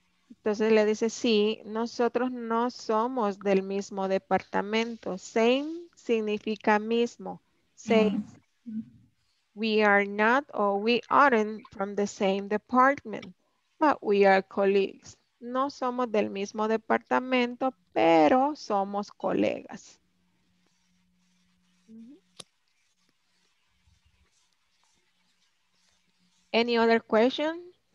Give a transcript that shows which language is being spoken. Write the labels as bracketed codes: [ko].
[es] Entonces le dice sí, nosotros no somos del mismo departamento. Same significa mismo. [en] We are not or we aren't from the same department, but we are colleagues. [es] No somos del mismo departamento, pero somos colegas. [en] Any other question?